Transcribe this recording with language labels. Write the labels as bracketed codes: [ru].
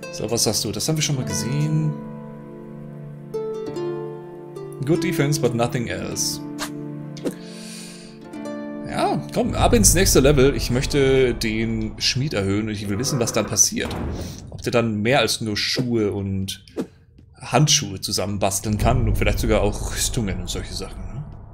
[de] Was sagst du? Das haben wir schon mal gesehen. [en] Good defense, but nothing else. [de] Ja, komm, ab ins nächste Level. Ich möchte den Schmied erhöhen und ich will wissen, was dann passiert. Ob der dann mehr als nur Schuhe und Handschuhe zusammenbasteln kann und vielleicht sogar auch Rüstungen und solche Sachen.